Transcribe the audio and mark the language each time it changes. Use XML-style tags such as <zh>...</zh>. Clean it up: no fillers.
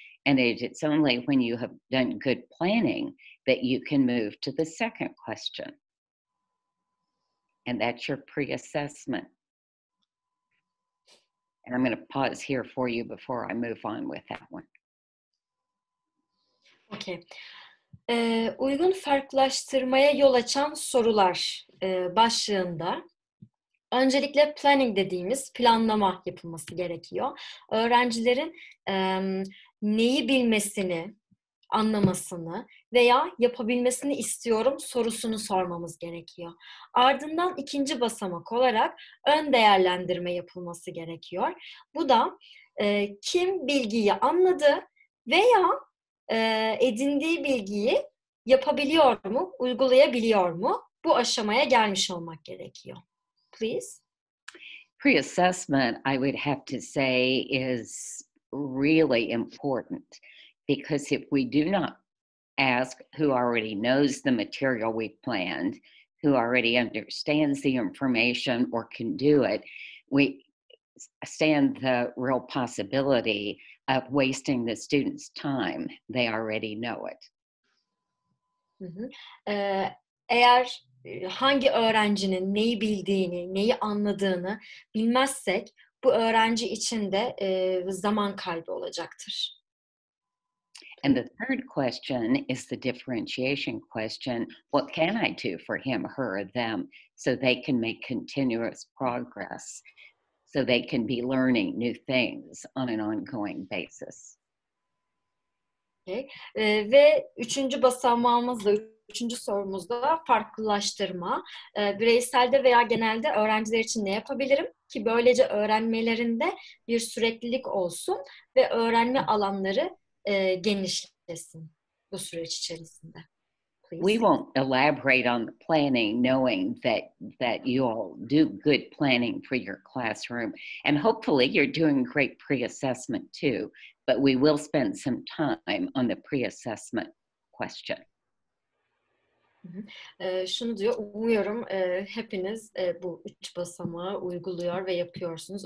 <en>And it's only when you have done good planning that you can move to the second question. And that's your pre-assessment. And I'm going to pause here for you before I move on with that one. Okay.</en> <tr>Uygun farklılaştırmaya yol açan sorular başlığında öncelikle planning dediğimiz planlama yapılması gerekiyor. Öğrencilerin neyi bilmesini, anlamasını veya yapabilmesini istiyorum sorusunu sormamız gerekiyor. Ardından ikinci basamak olarak ön değerlendirme yapılması gerekiyor. Bu da kim bilgiyi anladı veya edindiği bilgiyi yapabiliyor mu, uygulayabiliyor mu? Bu aşamaya gelmiş olmak gerekiyor. Please.</tr> <en>Pre-assessment, I would have to say, is really important. Because if we do not ask who already knows the material we've planned, who already understands the information or can do it, we stand the real possibility of wasting the student's time. They already know it.</en> <tr>Eğer hangi öğrencinin neyi bildiğini, neyi anladığını bilmezsek, bu öğrenci için de zaman kaybı olacaktır.</tr> <en>And the third question is the differentiation question. What can I do for him, her, or them so they can make continuous progress, so they can be learning new things on an ongoing basis?</en> <tr>Okay. Ve üçüncü basamağımızda, üçüncü sorumuzda farklılaştırma. Bireyselde veya genelde öğrenciler için ne yapabilirim ki böylece öğrenmelerinde bir süreklilik olsun ve öğrenme alanları genişlesin bu süreç içerisinde.</tr> <en>Please. We won't elaborate on the planning, knowing that you all do good planning for your classroom. And hopefully you're doing great pre-assessment too. But we will spend some time on the pre-assessment question.</en> <tr>Şunu diyor, umuyorum hepiniz bu üç basamağı uyguluyor ve yapıyorsunuz.</tr>